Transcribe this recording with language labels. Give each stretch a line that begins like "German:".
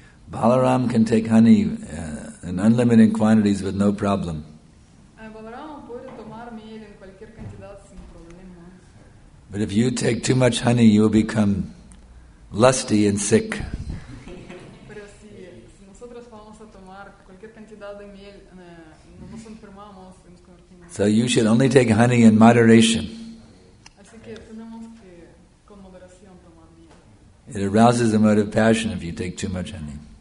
English: Balaram can take honey in unlimited quantities with no problem.
Spanish: Balaram puede tomar miel en cualquier cantidad sin problema.
English: But if you take too much honey, you will become lusty and sick.
Spanish: Pero si nosotros vamos a tomar cualquier cantidad de miel, nos enfermamos.
English: So you should only take honey in moderation.
Spanish: Así que tenemos que con moderación tomar miel.
English: It arouses emotive passion if you take too much honey.